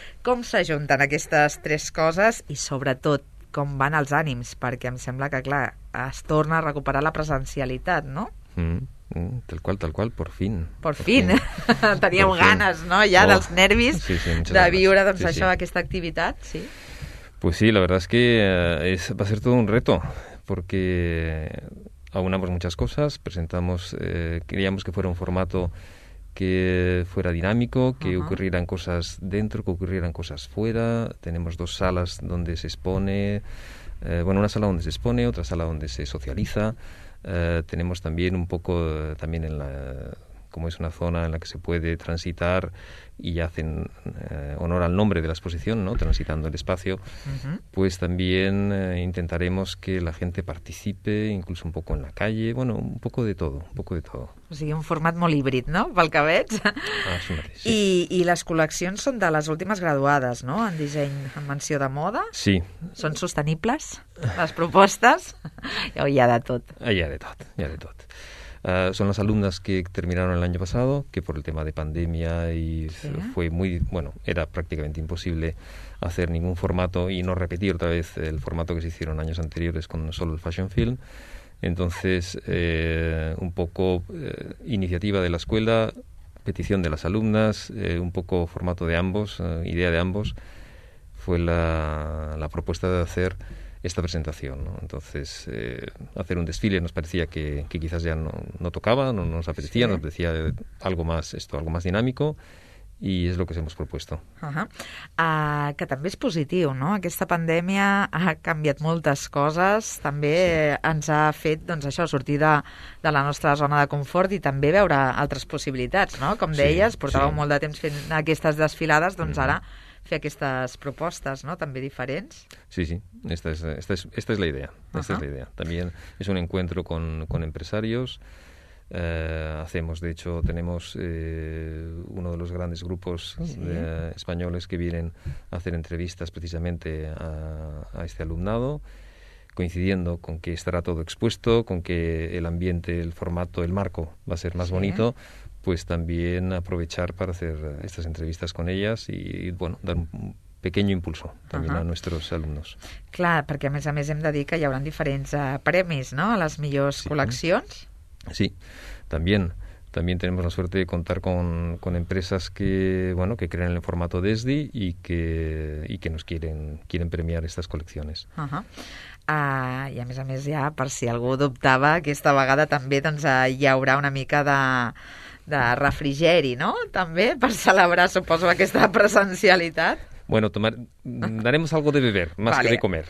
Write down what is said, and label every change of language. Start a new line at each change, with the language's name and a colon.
Catalan: Com s'ajunten aquestes tres coses i, sobretot, com van els ànims, perquè em sembla que, clar, es torna a recuperar la presencialitat, no?
Spanish: Tal qual, por fin. Por fin.
Catalan: Teníem por ganes, fin. No?, ja dels nervis de viure, doncs, aquesta activitat, sí?
Spanish: Pues sí, la verdad es que va a ser todo un reto, porque aunamos muchas cosas, presentamos, queríamos que fuera un formato que fuera dinámico, que ocurrieran cosas dentro, que ocurrieran cosas fuera. Tenemos dos salas donde se expone, una sala donde se expone, otra sala donde se socializa. Tenemos también un poco, también en la, como es una zona en la que se puede transitar y hacen honor al nombre de la exposición, ¿no?, transitando el espacio, pues también intentaremos que la gente participe, incluso un poco en la calle, bueno, un poco de todo, un poco de todo.
Catalan: O sigui, un format molt híbrid, no?, pel que veig. Ah, sí mateix, sí. I les col·leccions són de les últimes graduades, no?, en disseny, en menció de moda. Sí. Són sostenibles, les propostes? O hi ha de tot? Hi ha de tot.
Spanish: Son las alumnas que terminaron el año pasado, que por el tema de pandemia y fue muy, bueno, era prácticamente imposible hacer ningún formato y no repetir otra vez el formato que se hicieron años anteriores con solo el Fashion Film. Entonces, un poco iniciativa de la escuela, petición de las alumnas, un poco formato de ambos, idea de ambos, fue la propuesta de hacer esta presentación, ¿no? Entonces, hacer un desfile nos parecía que quizás ya no tocaba, no nos apetecía, nos apetecía algo más dinámico, y es lo que hemos propuesto.
Catalan: Que també és positiu, no? Aquesta pandèmia ha canviat moltes coses, també ens ha fet, doncs, això, sortir de la nostra zona de confort i també veure altres possibilitats, no? Com deies, portàveu molt de temps fent aquestes desfilades, doncs ara fer aquestes propostes, no?, també diferents.
Spanish: Sí, esta es la idea. Es la idea. También es un encuentro con empresarios. Hacemos, de hecho, tenemos uno de los grandes grupos españoles que vienen a hacer entrevistas precisamente a este alumnado, coincidiendo con que estará todo expuesto, con que el ambiente, el formato, el marco va a ser más bonito. Pues también aprovechar para hacer estas entrevistas con ellas y bueno, dar un pequeño impulso también a nuestros alumnos.
Catalan: Clar, perquè a més hem de dir que hi haurà diferents premis, no?, a les millors col·leccions.
Spanish: Sí, también tenemos la suerte de contar con empresas que, bueno, que creen en el formato de ESDI y que nos quieren premiar estas colecciones.
Catalan: I a més ja, per si algú dubtava, aquesta vegada també doncs, hi haurà una mica de refrigeri, no?, també, per celebrar, suposo, aquesta presencialitat.
Spanish: Bueno, daremos algo de beber, más que de comer.